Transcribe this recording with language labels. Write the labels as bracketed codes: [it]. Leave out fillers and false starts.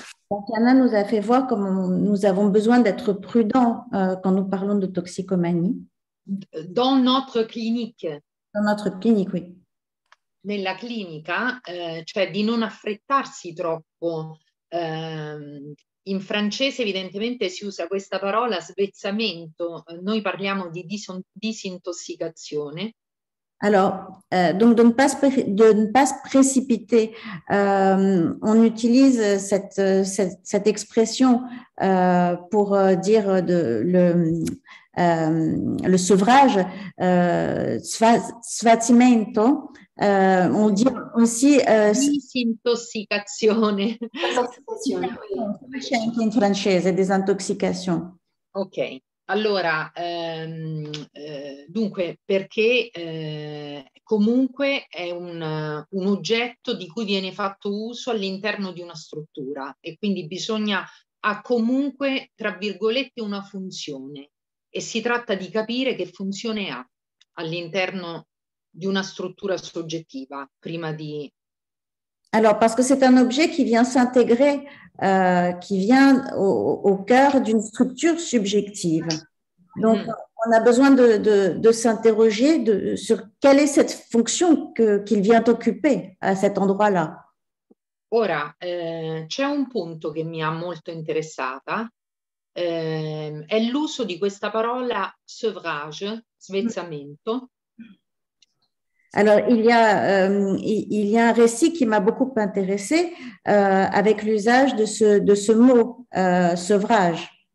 [fr] Tatiana nous a fait voir comme nous avons besoin d'être prudents quand nous parlons de toxicomanie. Dans notre clinique. Dans notre clinique, oui. [it] Nella clinica, cioè di non affrettarsi troppo. In francese evidentemente si usa questa parola svezzamento, noi parliamo di disintossicazione. [fr] Alors, donc de ne pas se précipiter, on utilise cette expression pour dire le sevrage, sfatimento, on dit aussi... [it] Disintossicazione. C'est anche in francese, désintoxication. Ok. Allora, dunque, perché comunque è un oggetto di cui viene fatto uso all'interno di una struttura e quindi bisogna, ha comunque, tra virgolette, una funzione e si tratta di capire che funzione ha all'interno di una struttura soggettiva prima di... [fr] Alors, parce que c'est un objet qui vient s'intégrer, qui vient au cœur d'une structure subjective. Donc, on a besoin de s'interroger sur quelle est cette fonction qu'il vient occuper à cet endroit-là. [it] Ora, c'è un punto che mi ha molto interessata. È l'uso di questa parola sevrage, svezzamento. [fr] Alors, il y a un récit qui m'a beaucoup intéressée avec l'usage de ce mot, sevrage.